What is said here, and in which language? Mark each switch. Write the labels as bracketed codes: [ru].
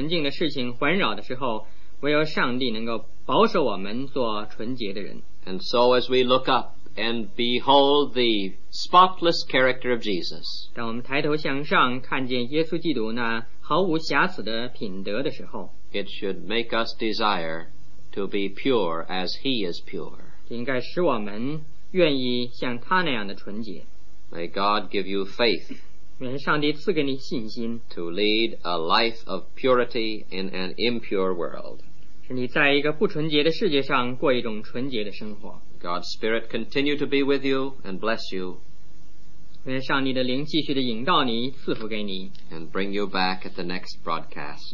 [zh] 当我们被各样的污秽和不纯净的事情环绕的时候, 唯有上帝能够保守我们做纯洁的人。 [en] And so as we look up and behold the spotless character of Jesus, [zh] 当我们抬头向上看见耶稣基督那毫无瑕疵的品德的时候, [en] it should make us desire to be pure as He is pure. [zh] 应该使我们愿意像他那样的纯洁。 [en] May God give you faith. [zh] 愿上帝赐给你信心。 [en] To lead a life of purity in an impure world. [zh] 使你在一个不纯洁的世界上过一种纯洁的生活。 [en] God's Spirit continue to be with you and bless you. [zh] 愿上帝的灵继续地引导你，赐福给你。 [en] And bring you back at the next broadcast.